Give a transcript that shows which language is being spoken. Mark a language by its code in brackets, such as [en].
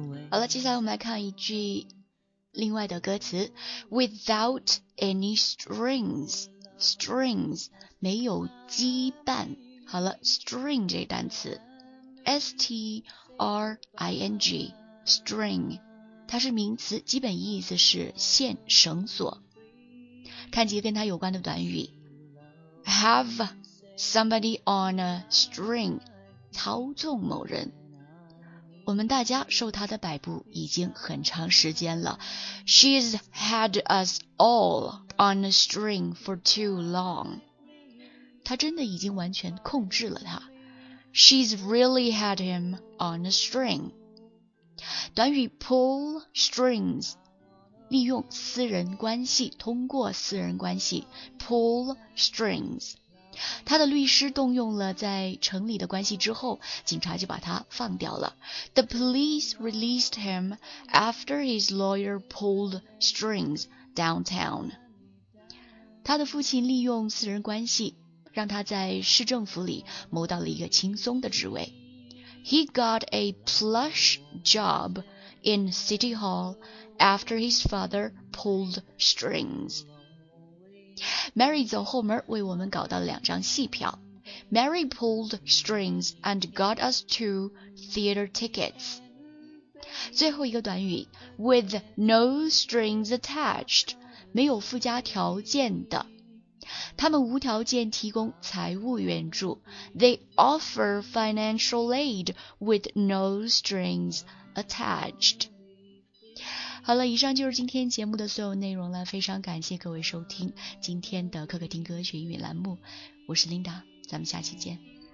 [zh] 好了，接下来我们来看一句另外的歌词 [en] Without any strings [zh] 没有羁绊。好了， string 这单词 string， string 它是名词，基本意思是线、绳索。看几个跟它有关的短语， [en] Have somebody on a string， [zh] 操纵某人。我们大家受他的摆布已经很长时间了。 [en] She's had us all on a string for too long. [zh] 他真的已经完全控制了他。 [en] She's really had him on a string. [zh] 短语 pull strings， 利用私人关系，通过私人关系 pull strings。他的律师动用了在城里的关系之后，警察就把他放掉了。 [en] The police released him after his lawyer pulled strings downtown. [zh] 他的父亲利用私人关系，让他在市政府里谋到了一个轻松的职位。 [en] He got a plush job in City Hall after his father pulled strings. [zh] Mary 走后门为我们搞到了两张戏票。 [en] Mary pulled strings and got us two theater tickets. [zh] 最后一个短语 [en] ,with no strings attached, [zh] 没有附加条件的。他们无条件提供财务援助。 [en] They offer financial aid with no strings attached. [zh] 好了，以上就是今天节目的所有内容了，非常感谢各位收听今天的可可听歌曲音乐栏目，我是 Linda， 咱们下期见。